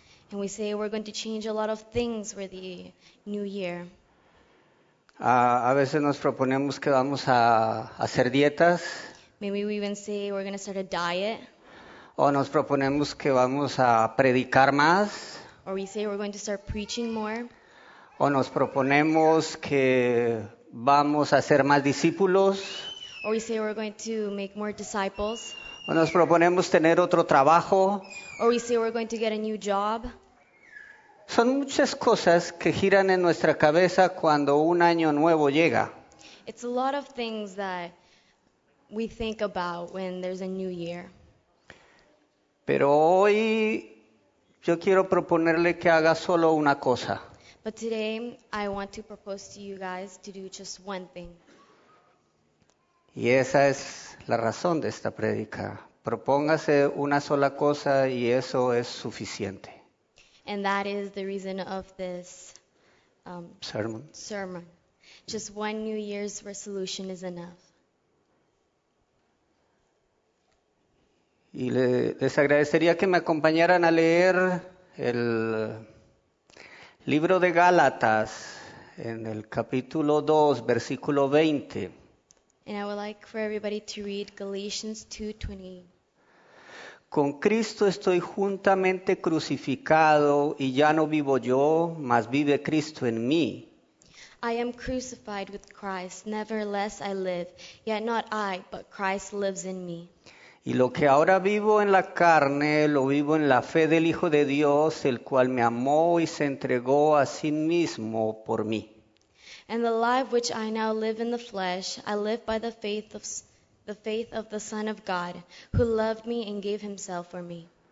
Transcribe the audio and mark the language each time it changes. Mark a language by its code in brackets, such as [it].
[en] And we say we're going to change a lot of things for the new year. [es] A veces nos proponemos que vamos a hacer dietas. [en] Maybe we even say we're going to start a diet. [es] O nos proponemos que vamos a predicar más. [en] Or we say we're going to start preaching more. [es] O nos proponemos que vamos a ser más discípulos. [en] Or we say we're going to make more disciples. [es] O nos proponemos tener otro trabajo. [en] Or we say we're going to get a new job. [es] Son muchas cosas que giran en nuestra cabeza cuando un año nuevo llega. [en] It's a lot of things that we think about when there's a new year. [es] Pero hoy yo quiero proponerle que haga solo una cosa. [en] But today I want to propose to you guys to do just one thing. [es] Y esa es la razón de esta prédica. Propóngase una sola cosa y eso es suficiente. [en] And that is the reason of this sermon. Just one New Year's resolution is enough. [es] Y les agradecería que me acompañaran a leer el libro de Gálatas en el capítulo 2, versículo 20. [en] And I would like for everybody to read Galatians 2:20. [es] Con Cristo estoy juntamente crucificado y ya no vivo yo, mas vive Cristo en mí. [en] I am crucified with Christ, nevertheless I live, yet not I, but Christ lives in me. [es] Y lo que ahora vivo en la carne, lo vivo en la fe del Hijo de Dios, el cual me amó y se entregó a sí mismo por mí. [en] And the life which I now live in the flesh, I live by the faith of the Son of God, who loved me and gave himself for me.